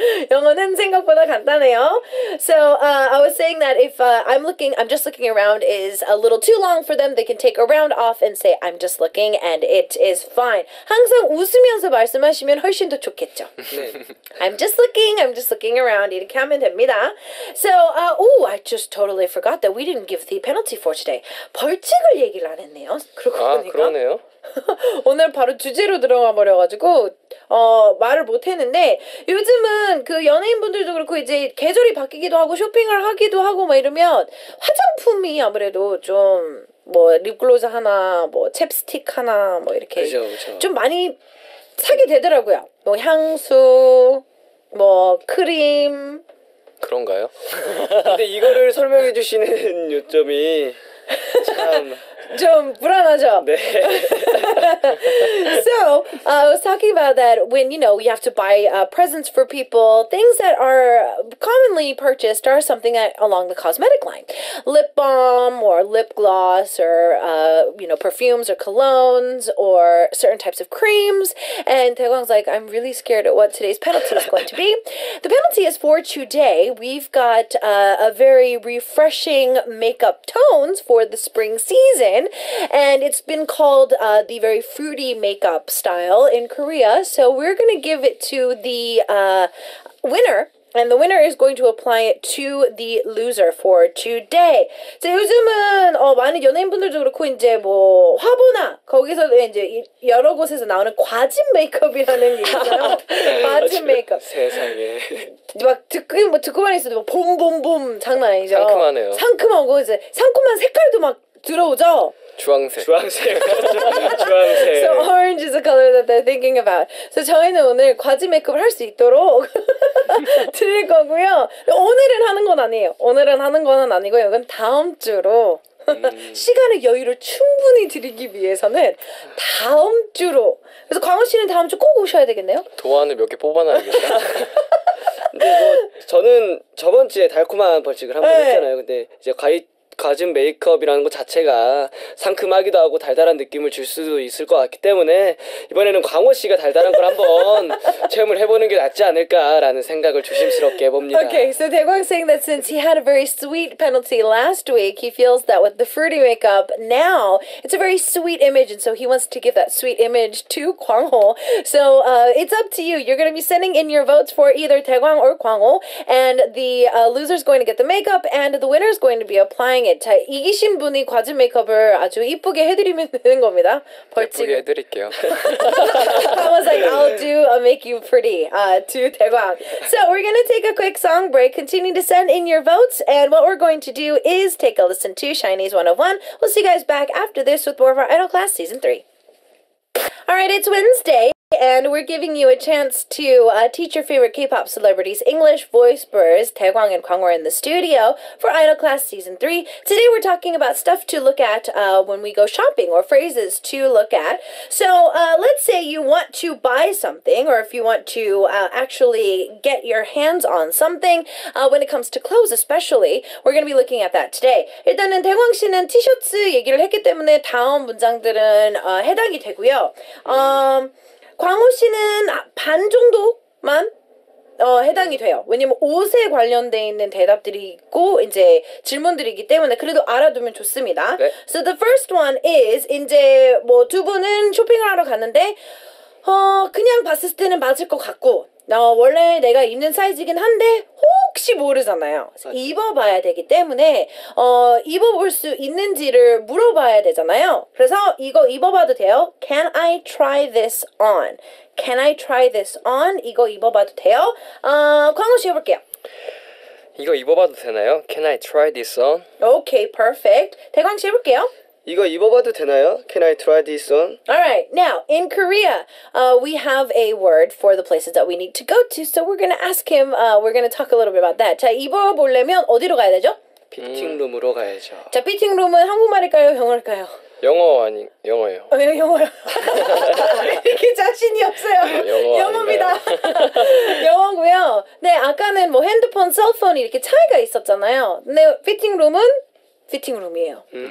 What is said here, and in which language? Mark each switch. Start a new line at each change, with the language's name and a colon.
Korean: 영어는 생각보다 간단해요.
English: So I was saying that if I'm just looking around is a little too long for them, they can take around off and say I'm just looking and it is fine.
Korean: 항상 웃으면서 말씀하시면 훨씬 더 좋겠죠.
English: I'm just looking around
Korean: 이렇게 하면 됩니다.
English: So I just totally forgot that we didn't give the penalty for today.
Korean: 벌칙을 얘기를 안 했네요. 그러고 보니까. 그러네요. 오늘 바로 주제로 들어가 버려가지고 말을 못했는데 요즘은 그 연예인분들도 그렇고 이제 계절이 바뀌기도 하고 쇼핑을 하기도 하고 막 이러면 화장품이 아무래도 좀 뭐 립글로즈 하나 뭐 챕스틱 하나 뭐 이렇게 그쵸, 그쵸. 좀 많이 사게 되더라고요. 뭐 향수 뭐 크림 그런가요? 근데 이거를 설명해 주시는 요점이 참 좀 불안하죠? 네.
English: So, I was talking about that when, you know, we have to buy presents for people, things that are commonly purchased are something that, along the cosmetic line. Lip balm or lip gloss or, perfumes or colognes or certain types of creams. And Taeguang's like, I'm really scared at what today's penalty is going to be. The penalty is for today. We've got a very refreshing makeup tones for the spring season. And it's been called the very fruity makeup style in Korea. So we're going to give it to the winner And the winner is going to apply it to the loser for today.
Korean: 자, 요즘은 많은 연예인분들도 그렇고 이제 뭐 화보나 거기서도 이제 여러 곳에서 나오는 과즙 메이크업이라는 게 있잖아요. 과즙 메이크업. 세상에. 막 듣고만 있어도 막 봄봄봄 장난 아니죠. 상큼하네요. 상큼하고 이제 상큼한 색깔도 막 들어오죠. 주황색.
English: So orange is a color that they're thinking about.
Korean: So 저희는 오늘 과즙 메이크업을 할 수 있도록 드릴 거고요. 오늘은 하는 건 아니에요. 오늘은 하는 건 아니고요. 이건 다음 주로 시간의 여유를 충분히 드리기 위해서는 다음 주로. 그래서 광호 씨는 다음 주 꼭 오셔야 되겠네요. 도안을 몇 개 뽑아놔야겠다. 저는 저번 주에 달콤한 벌칙을 한번 했잖아요. 근데 이제 과즙 메이크업이라는 것 자체가 상큼하기도 하고 달달한 느낌을 줄 수도 있을 것 같기 때문에 이번에는 광호 씨가 달달한 걸 한번 체험을 해보는 게 낫지 않을까라는 생각을 조심스럽게 해봅니다.
English: Okay, so 대광 saying that since he had a very sweet penalty last week, he feels that with the fruity makeup now, it's a very sweet image, and so he wants to give that sweet image to 광호. So it's up to you. You're going to be sending in your votes for either 대광 or 광호, and the loser is going to get the makeup, and the winner is going to be applying.
Korean: 자, 이기신 분이 과즙 메이크업을 아주 이쁘게 해드리면 되는 겁니다. 예쁘게 해드릴게요.
English: I was like, I'll do a make you pretty to 대광. So we're going to take a quick song break. Continue to send in your votes. And what we're going to do is take a listen to Shinee's 101. We'll see you guys back after this with more of our Idol Class Season 3. All right, it's Wednesday. And we're giving you a chance to teach your favorite K-pop celebrities English voice burrs. 대광 and 광호 are in the studio for Idol Class Season 3. Today we're talking about stuff to look at when we go shopping or phrases to look at. So let's say you want to buy something or if you want to actually get your hands on something when it comes to clothes especially, we're going to be looking at that today.
Korean: 일단은 대광 씨는 티셔츠 얘기를 했기 때문에 다음 문장들은 해당이 되고요. 광호 씨는 반 정도만 해당이 돼요. 왜냐면 옷에 관련돼 있는 대답들이 있고 이제 질문들이기 때문에 그래도 알아두면 좋습니다. 네.
English: So the first one is
Korean: 이제 뭐 두 분은 쇼핑을 하러 갔는데 그냥 봤을 때는 맞을 것 같고 원래 내가 입는 사이즈이긴 한데 혹시 모르잖아요. 입어봐야 되기 때문에 입어볼 수 있는지를 물어봐야 되잖아요. 그래서 이거 입어봐도 돼요?
English: Can I try this on? Can I try this on?
Korean: 이거 입어봐도 돼요? 광호 씨 해볼게요. 이거 입어봐도 되나요?
English: Can I try this on? Okay, perfect.
Korean: 대광 씨 해볼게요. 이거 입어봐도 되나요?
English: Can I try this on? Alright, now, in Korea, we have a word for the places that we need to go to, so we're gonna ask him, we're gonna talk a little bit about that.
Korean: 자, 입어보려면 어디로 가야 되죠? 피팅룸으로 가야죠. 자, 피팅룸은 한국말일까요? 영어일까요? 영어 아니 영어예요. 영어요. 이렇게 자신이 없어요. 영어입니다. 영어고요. 네, 아까는 뭐 핸드폰, 셀폰 이렇게 차이가 있었잖아요. 근데 피팅룸은? 피팅룸이에요.